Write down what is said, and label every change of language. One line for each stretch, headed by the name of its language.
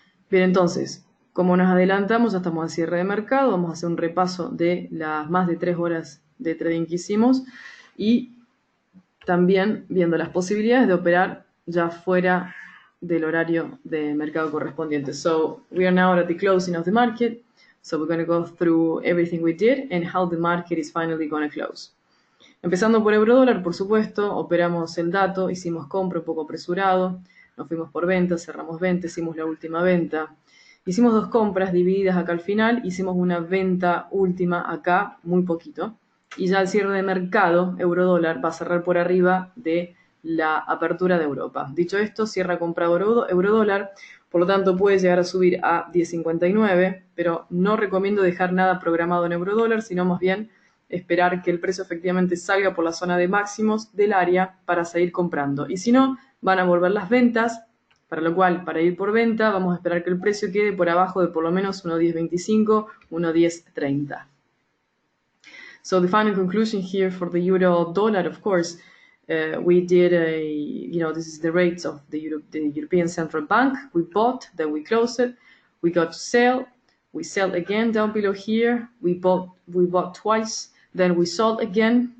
Spanish: Bien, entonces, como nos adelantamos, ya estamos a cierre de mercado. Vamos a hacer un repaso de las más de 3 horas de trading que hicimos y también viendo las posibilidades de operar ya fuera del horario de mercado correspondiente.
English: So, we are now at the closing of the market. So, we're going to go through everything we did and how the market is finally going to close.
Spanish: Empezando por euro dólar, por supuesto, operamos el dato, hicimos compra un poco apresurado, nos fuimos por venta, cerramos venta, hicimos la última venta. Hicimos dos compras divididas acá al final, hicimos una venta última acá, muy poquito. Y ya el cierre de mercado, euro dólar, va a cerrar por arriba de la apertura de Europa. Dicho esto, cierra comprado euro dólar. Por lo tanto, puede llegar a subir a 10.59, pero no recomiendo dejar nada programado en eurodólar, sino más bien esperar que el precio efectivamente salga por la zona de máximos del área para seguir comprando. Y si no, van a volver las ventas, para lo cual, para ir por venta, vamos a esperar que el precio quede por abajo de por lo menos 1.1025, 1.1030.
English: So the final conclusion here for the euro dollar, of course. We did a, you know, this is the rates of the European Central Bank. We bought, then we closed it. We got to sell. We sell again down below here. We bought twice. Then we sold again.